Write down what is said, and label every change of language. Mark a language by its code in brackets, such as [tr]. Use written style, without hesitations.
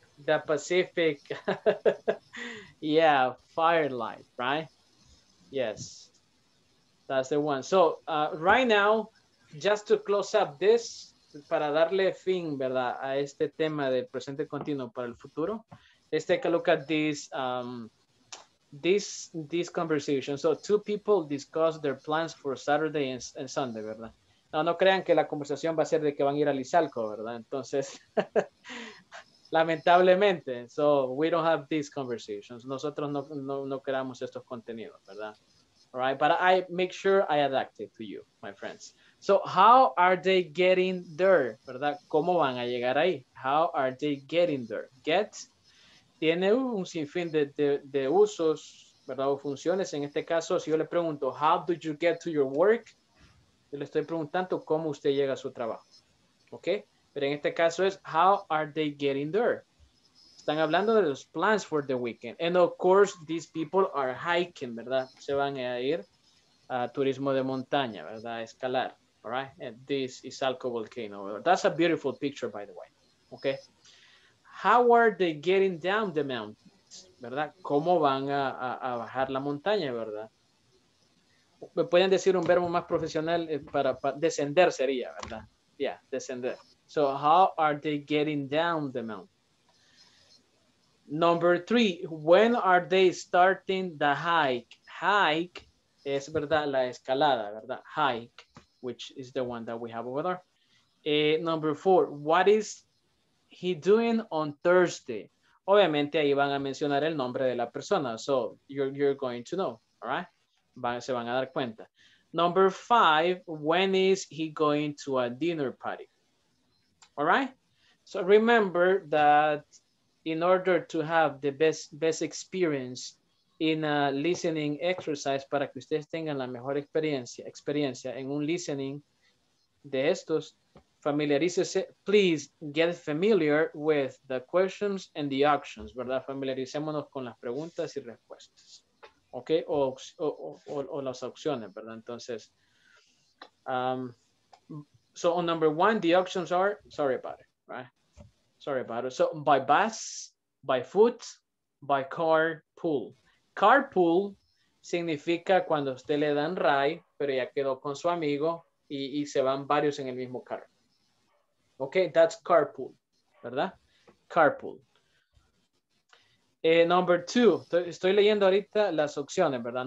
[en] The Pacific. Yeah, firelight, right? Yes. That's the one. So, right now, just to close up this, [es] para darle fin, ¿verdad?, a este tema del presente continuo para el futuro. [en] Let's take a look at this, this conversation. So two people discuss their plans for Saturday and Sunday, ¿verdad? [es] No crean que la conversación va a ser de que van a ir a Lizalco, ¿verdad? Entonces, lamentablemente, [en] so we don't have these conversations. [es] Nosotros no creamos estos contenidos, ¿verdad? [en] All right, but I make sure I adapt it to you, my friends. So how are they getting there, ¿verdad? [es] ¿Cómo van a llegar ahí? [en] How are they getting there? [es] Get tiene un sinfín de usos, ¿verdad? O funciones. En este caso, si yo le pregunto, [en] how do you get to your work? [es] Yo le estoy preguntando cómo usted llega a su trabajo, ¿ok? Pero en este caso es, [en] how are they getting there? [es] Están hablando de los [en] plans for the weekend. And of course, these people are hiking, [es] ¿verdad? Se van a ir a turismo de montaña, ¿verdad? A escalar. [en] All right? And this is Alco Volcano. That's a beautiful picture, by the way. Okay? How are they getting down the mountains? ¿Verdad? [es] ¿Cómo van a bajar la montaña, ¿verdad? ¿Me pueden decir un verbo más profesional para descender sería, ¿verdad? Yeah, descender. [en] So, how are they getting down the mountain? Number three, when are they starting the hike? Hike [es] es, ¿verdad? La escalada, ¿verdad? [en] Hike, which is the one that we have over there. Number four, what is he doing on Thursday? [es] Obviamente, ahí van a mencionar el nombre de la persona. [en] So, you're going to know, all right? [es] Se van a dar cuenta. [en] Number five, when is he going to a dinner party? All right? So, remember that in order to have the best experience in a listening exercise, [es] para que ustedes tengan la mejor experiencia en un listening de estos, familiarícese, [en] please get familiar with the questions and the options, ¿verdad? [es] Familiaricémonos con las preguntas y respuestas. Okay, o las opciones, ¿verdad? [en] Entonces, so on number one, the options are, sorry about it, right? Sorry about it. So by bus, by foot, by carpool. [es] Carpool significa cuando usted le dan ride, pero ya quedó con su amigo y se van varios en el mismo carro. [en] Okay, that's carpool, ¿verdad? Carpool. Number two, [es] estoy leyendo ahorita las opciones, ¿verdad?